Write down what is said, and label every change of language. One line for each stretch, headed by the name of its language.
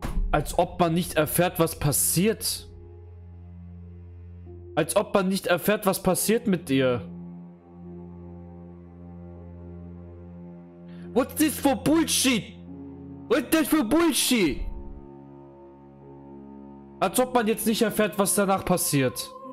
German: Als ob man nicht erfährt, was passiert. Als ob man nicht erfährt, was passiert mit ihr.
English: What's this for bullshit? What's this for bullshit?
German: Als ob man jetzt nicht erfährt, was danach passiert.